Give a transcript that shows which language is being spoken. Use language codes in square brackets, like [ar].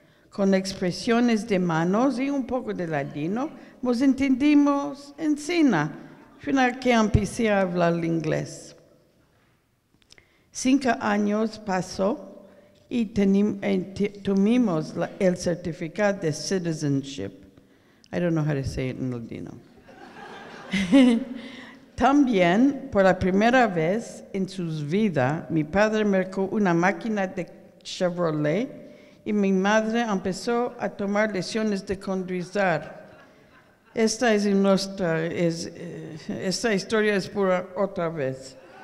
[lad] Con expresiones de manos y un poco de ladino, nos entendimos en cena, fino a que empecé a hablar inglés. 5 años pasó y tomamos el certificado de citizenship. [en] I don't know how to say it in ladino. [lad] También, por la primera vez en sus vidas, mi padre mercó una máquina de Chevrolet y mi madre empezó a tomar lecciones de conducir. Esta historia es pura otra vez.